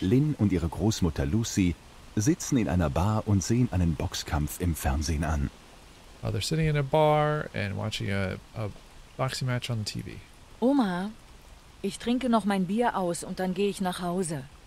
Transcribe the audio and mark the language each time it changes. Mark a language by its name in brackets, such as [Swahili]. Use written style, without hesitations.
[German] Lynn und ihre Großmutter Lucy sitzen in einer Bar und sehen einen Boxkampf im Fernsehen an. [English] Oh, they're sitting in a bar and watching a boxing match on the TV. [German] Oma, ich trinke noch mein Bier aus und dann gehe ich nach Hause.